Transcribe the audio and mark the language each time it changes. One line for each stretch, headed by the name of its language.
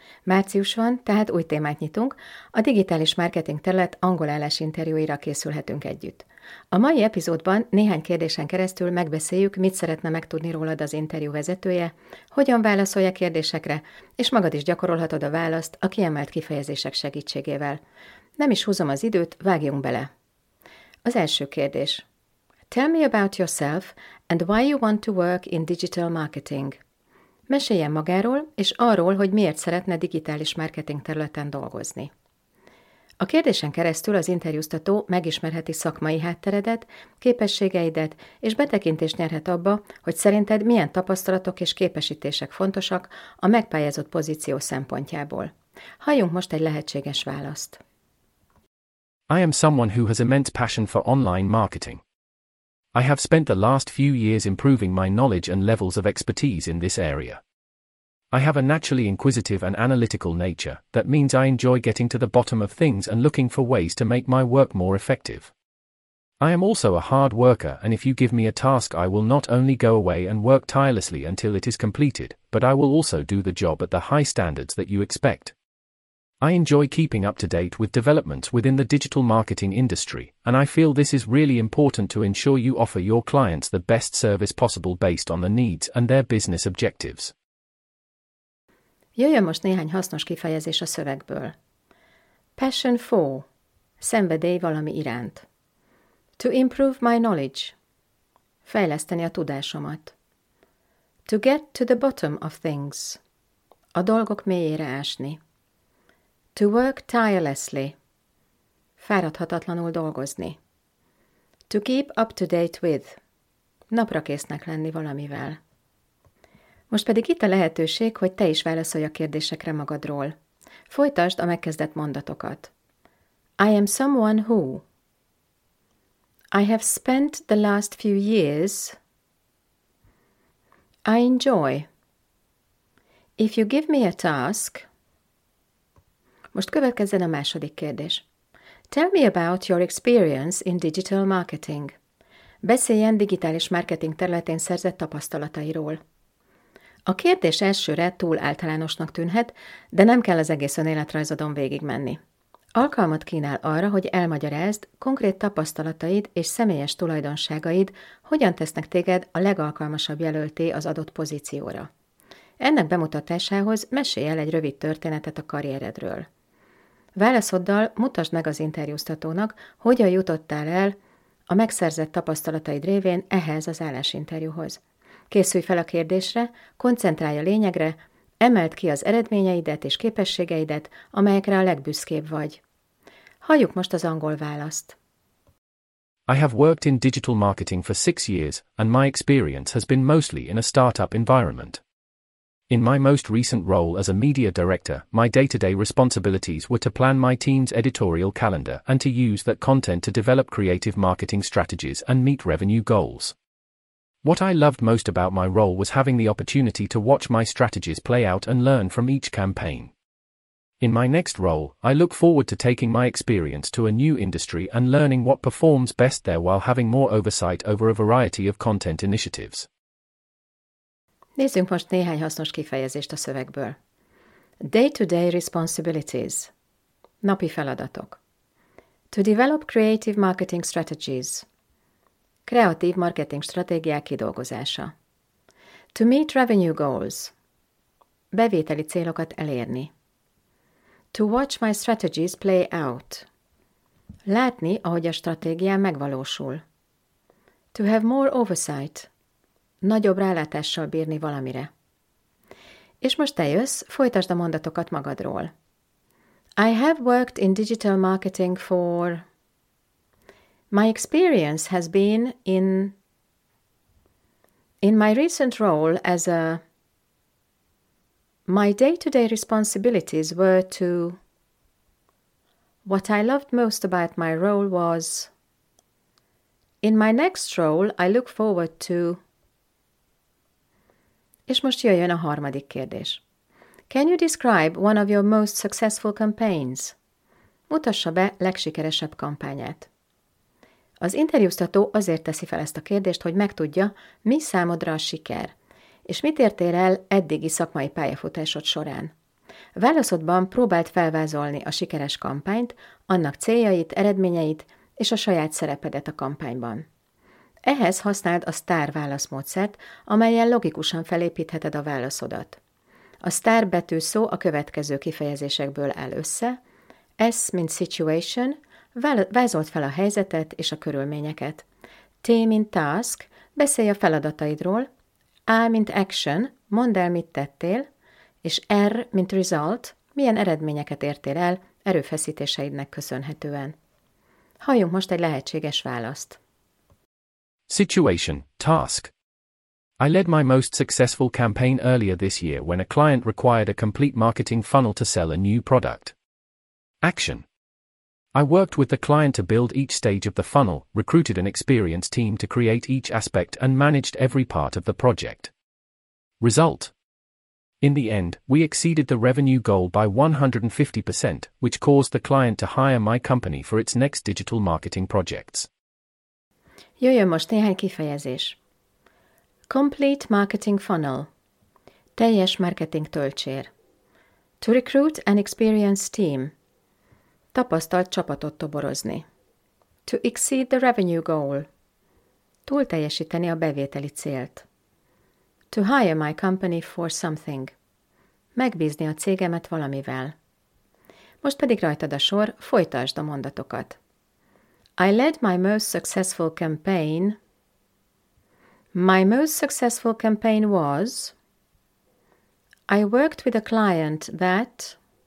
Hungarian: Március van, tehát új témát nyitunk, a digitális marketing terület angol állásinterjúira készülhetünk együtt. A mai epizódban néhány kérdésen keresztül megbeszéljük, mit szeretne megtudni rólad az interjú vezetője, hogyan válaszolja kérdésekre, és magad is gyakorolhatod a választ a kiemelt kifejezések segítségével. Nem is húzom az időt, vágjunk bele! Az első kérdés.
English: Tell me about yourself and why you want to work in digital marketing.
Hungarian: Meséljen magáról és arról, hogy miért szeretne digitális marketing területen dolgozni. A kérdésen keresztül az interjúztató megismerheti szakmai hátteredet, képességeidet és betekintést nyerhet abba, hogy szerinted milyen tapasztalatok és képesítések fontosak a megpályázott pozíció szempontjából. Halljunk most egy lehetséges választ.
English: I am someone who has immense passion for online marketing. I have spent the last few years improving my knowledge and levels of expertise in this area. I have a naturally inquisitive and analytical nature, that means I enjoy getting to the bottom of things and looking for ways to make my work more effective. I am also a hard worker, and if you give me a task, I will not only go away and work tirelessly until it is completed, but I will also do the job at the high standards that you expect. I enjoy keeping up to date with developments within the digital marketing industry, and I feel this is really important to ensure you offer your clients the best service possible based on the needs and their business objectives.
Hungarian: Jöjjön most néhány hasznos kifejezés a szövegből.
English: Passion for,
Hungarian: szenvedély valami iránt.
English: To improve my knowledge,
Hungarian: fejleszteni a tudásomat.
English: To get to the bottom of things,
Hungarian: a dolgok mélyére ásni.
English: To work tirelessly.
Hungarian: Fáradhatatlanul dolgozni.
English: To keep up to date with.
Hungarian: Naprakésznek lenni valamivel. Most pedig itt a lehetőség, hogy te is válaszolj a kérdésekre magadról. Folytasd a megkezdett mondatokat.
English: I am someone who. I have spent the last few years. I enjoy. If you give me a task.
Hungarian: Most következzen a második kérdés.
English: Tell me about your experience in digital marketing.
Hungarian: Beszéljen digitális marketing területén szerzett tapasztalatairól. A kérdés elsőre túl általánosnak tűnhet, de nem kell az egész önéletrajzodon végigmenni. Alkalmat kínál arra, hogy elmagyarázd, konkrét tapasztalataid és személyes tulajdonságaid hogyan tesznek téged a legalkalmasabb jelölté az adott pozícióra. Ennek bemutatásához mesélj el egy rövid történetet a karrieredről. Válaszoddal mutasd meg az interjúztatónak, hogyan jutottál el a megszerzett tapasztalataid révén ehhez az állásinterjúhoz. Készülj fel a kérdésre, koncentrálj a lényegre, emeld ki az eredményeidet és képességeidet, amelyekre a legbüszkébb vagy. Halljuk most az angol választ.
English: I have worked in digital marketing for 6 years, and my experience has been mostly in a startup environment. In my most recent role as a media director, my day-to-day responsibilities were to plan my team's editorial calendar and to use that content to develop creative marketing strategies and meet revenue goals. What I loved most about my role was having the opportunity to watch my strategies play out and learn from each campaign. In my next role, I look forward to taking my experience to a new industry and learning what performs best there while having more oversight over a variety of content initiatives.
Hungarian: Nézzünk most néhány hasznos kifejezést a szövegből.
English: Day-to-day responsibilities.
Hungarian: Napi feladatok.
English: To develop creative marketing strategies.
Hungarian: Kreatív marketing stratégiák kidolgozása.
English: To meet revenue goals.
Hungarian: Bevételi célokat elérni.
English: To watch my strategies play out.
Hungarian: Látni, ahogy a stratégia megvalósul.
English: To have more oversight.
Hungarian: Nagyobb rálátással bírni valamire. És most te jössz, folytasd a mondatokat magadról.
English: I have worked in digital marketing for... My experience has been in... In my recent role as a... My day-to-day responsibilities were to... What I loved most about my role was... In my next role, I look forward to...
Hungarian: És most jöjjön a harmadik kérdés.
English: Can you describe one of your most successful campaigns?
Hungarian: Mutassa be legsikeresebb kampányát. Az interjúztató azért teszi fel ezt a kérdést, hogy megtudja, mi számodra a siker, és mit értél el eddigi szakmai pályafutásod során. Válaszodban próbált felvázolni a sikeres kampányt, annak céljait, eredményeit és a saját szerepedet a kampányban. Ehhez használd a STAR válaszmódszert, amellyel logikusan felépítheted a válaszodat. A STAR betű szó a következő kifejezésekből áll össze. S, mint situation, vázold fel a helyzetet és a körülményeket. T, mint task, beszélj a feladataidról. A, mint action, mondd el, mit tettél. És R, mint result, milyen eredményeket értél el erőfeszítéseidnek köszönhetően. Halljunk most egy lehetséges választ.
English: Situation, task. I led my most successful campaign earlier this year when a client required a complete marketing funnel to sell a new product. Action. I worked with the client to build each stage of the funnel, recruited an experienced team to create each aspect and managed every part of the project. Result. In the end, we exceeded the revenue goal by 150%, which caused the client to hire my company for its next digital marketing projects.
Hungarian: Jöjjön most néhány kifejezés.
English: Complete marketing funnel.
Hungarian: Teljes marketing töltsér.
English: To recruit an experienced team.
Hungarian: Tapasztalt csapatot toborozni.
English: To exceed the revenue goal.
Hungarian: Túl teljesíteni a bevételi célt.
English: To hire my company for something.
Hungarian: Megbízni a cégemet valamivel. Most pedig rajtad a sor, folytasd a mondatokat.
English: I led my most successful campaign. My most successful campaign was. I worked with a client that.